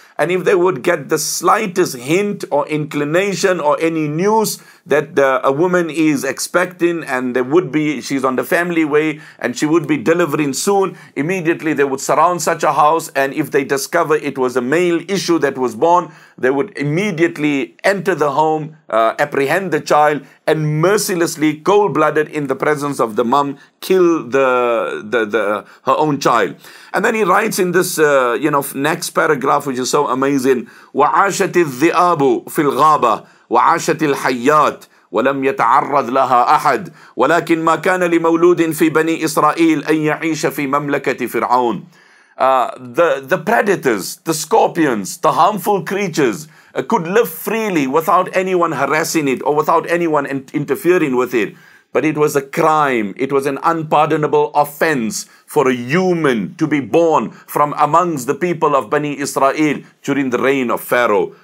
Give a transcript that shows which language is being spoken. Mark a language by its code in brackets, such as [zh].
[en] And if they would get the slightest hint or inclination or any news that a woman is expecting and there would be, she's on the family way and she would be delivering soon, immediately they would surround such a house, and if they discover it was a male issue that was born, they would immediately enter the home, apprehend the child, and mercilessly, cold-blooded in the presence of the mum, kill the her own child. And then he writes in this next paragraph, which is so amazing, [ar] وَعَاشَتِ الذِّئَابُ فِي الْغَابَةِ وَعَاشَتِ الْحَيَّاتِ وَلَمْ يَتَعَرَّضْ لَهَا أَحَدٍ وَلَكِنْ مَا كَانَ لِمَوْلُودٍ فِي بَنِي إِسْرَائِيلِ أَنْ يَعِيشَ فِي مَمْلَكَةِ فِرْعَوْنِ. [en] The predators, the scorpions, the harmful creatures could live freely without anyone harassing it or without anyone interfering with it. But it was a crime. It was an unpardonable offense for a human to be born from amongst the people of Bani Israel during the reign of Pharaoh.